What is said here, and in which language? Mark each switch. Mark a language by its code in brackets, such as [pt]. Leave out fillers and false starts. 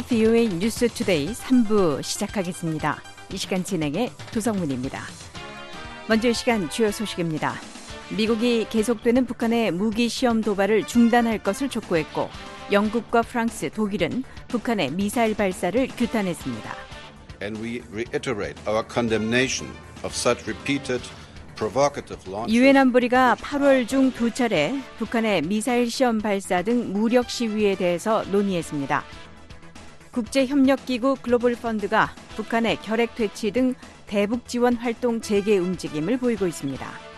[ko] VOA 뉴스 투데이 3부 시작하겠습니다. 이 시간 진행의 조성문입니다. 먼저 이 시간 주요 소식입니다. 미국이 계속되는 북한의 무기 시험 도발을 중단할 것을 촉구했고 영국과 프랑스, 독일은 북한의 미사일 발사를 규탄했습니다. [en] And we reiterate our condemnation of such repeated [ko] 유엔 안보리가 8월 중 두 차례 북한의 미사일 시험 발사 등 무력 시위에 대해서 논의했습니다. 국제협력기구 글로벌 펀드가 북한의 결핵 퇴치 등 대북 지원 활동 재개 움직임을 보이고 있습니다.